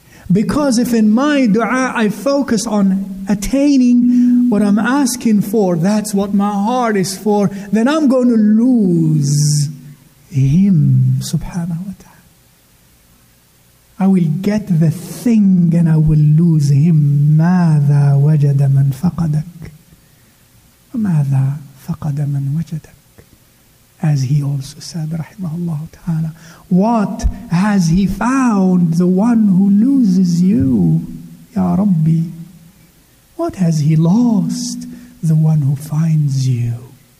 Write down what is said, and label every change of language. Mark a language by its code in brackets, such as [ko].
[en] Because if in my dua I focus on attaining what I'm asking for, that's what my heart is for, then I'm going to lose Him subhanahu wa ta'ala. I will get the thing and I will lose Him. [ar] ماذا وجد من فقدك وماذا فقد من وجدك. [en] As he also said, rahimahullah ta'ala, what has he found, the one who loses you, ya Rabbi? What has he lost, the one who finds you?